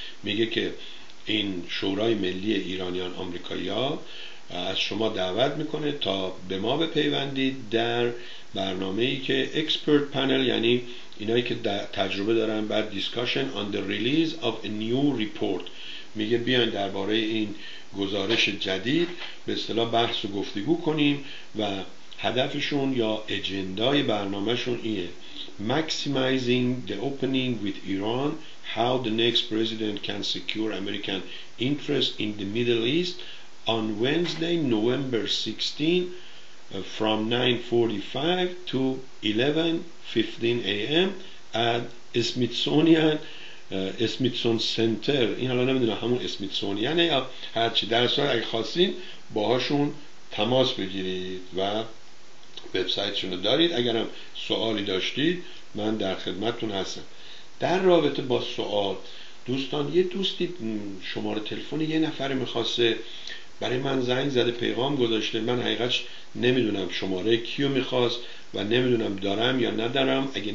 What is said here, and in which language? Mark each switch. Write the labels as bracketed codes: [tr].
[fa] میگه که این شورای ملی ایرانیان آمریکایی‌ها از شما دعوت میکنه تا به ما بپیوندید در برنامه‌ای که اکسپرت پنل، یعنی اینایی که تجربه دارن، بعد دیسکشن آن دی ریلیز اف ا نیو ریپورت. میگه بیاین درباره این گزارش جدید به اصطلاح بحث و گفتگو کنیم و هدفشون یا اجندای برنامه‌شون اینه: maximizing the opening with Iran, how the next president can secure American interest in the Middle East on Wednesday, November 16 from 9:45 to 11:15 a.m. [en] at Smithsonian Center. [fa] این حالا نمیدونم همون اسمیتسونیانه یا هرچی، در صورت اگه خواستین باهاشون تماس بگیرید و وبسایتشون رو دارید. اگرم سوالی داشتید من در خدمتتون هستم. در رابطه با سوال دوستان، یه دوستی شماره تلفن یه نفر میخواسته برای من زنگ زده، پیغام گذاشته، من حقیقتش نمیدونم شماره کیو میخواست و نمیدونم دارم یا ندارم.